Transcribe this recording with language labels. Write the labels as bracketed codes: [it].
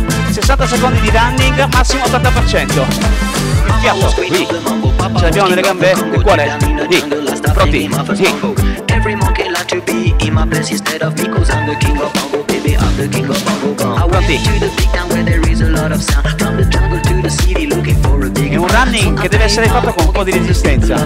[it] 60 secondi di running, massimo 80%. Il fiato, qui, ce l'abbiamo nelle gambe, nel cuore, lì, pronti, sì. [en] Every monkey like to be in my place instead of me, cause I'm the king of bongo, baby, I'm the king of bongo bongo. I want to the big town where there is a lot of sound, from the jungle to the city looking for a big. [it] È un running che deve essere fatto con un po' di resistenza.